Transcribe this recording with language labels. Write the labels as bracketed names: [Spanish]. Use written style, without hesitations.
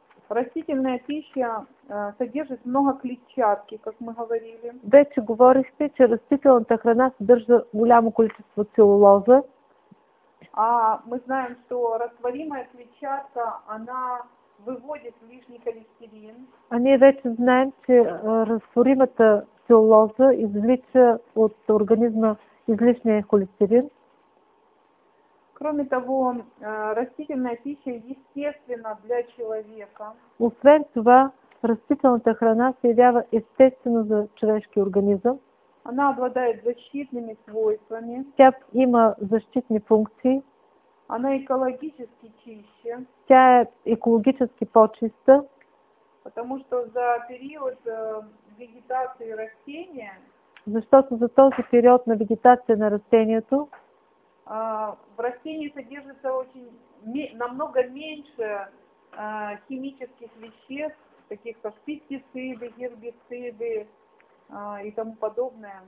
[Russian] растительная пища содержит много клетчатки, как мы говорили. [Bulgarian] Вече говорихте, че растителната храна съдържа голямо количество целулоза. [Russian] А мы знаем, что растворимая клетчатка, она выводит лишний холестерин. [Bulgarian] А ние вече знаем, че растворимата целулоза извлича от организма излишния холестерин. [Russian] Кроме того, растительная пища естественна для человека. [Bulgarian] Освен това, растителната храна се явява естествено за човешкия организъм. [Russian] Она обладает защитными свойствами. [Bulgarian] Тя има защитни функции. [Russian] Она экологически чище. [Bulgarian] Тя е екологически по-чиста. [Russian] Потому что за период вегетации растения... [Bulgarian] Защото за този период на вегетация на растението... [Russian] В растении содержится намного меньше химических веществ, таких как пестициды, гербициды и тому подобное.